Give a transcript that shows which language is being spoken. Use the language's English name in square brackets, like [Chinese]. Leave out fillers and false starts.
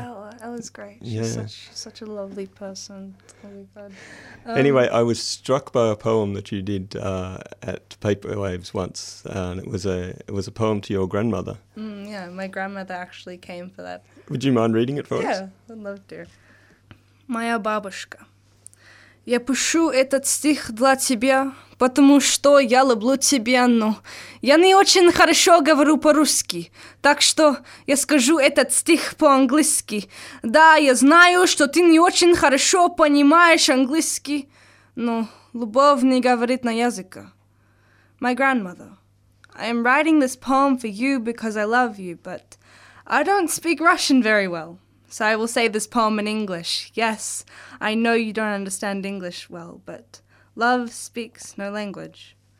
[English] Oh, Ella's great. She's such a lovely person. Anyway, I was struck by a poem that you did at Paperwaves once, and it was a poem to your grandmother. Mm, yeah, my grandmother actually came for that. Would you mind reading it for us? Yeah, I'd love to. [Russian] Моя бабушка. Я пишу этот стих для тебя, потому что я люблю тебя, но я не очень хорошо говорю по-русски, так что я скажу этот стих по-английски. Да, я знаю, что ты не очень хорошо понимаешь английский, но любовь не говорит на языке. [English] My grandmother, I am writing this poem for you because I love you, but I don't speak Russian very well. So I will say this poem in English. Yes, I know you don't understand English well, but love speaks no language.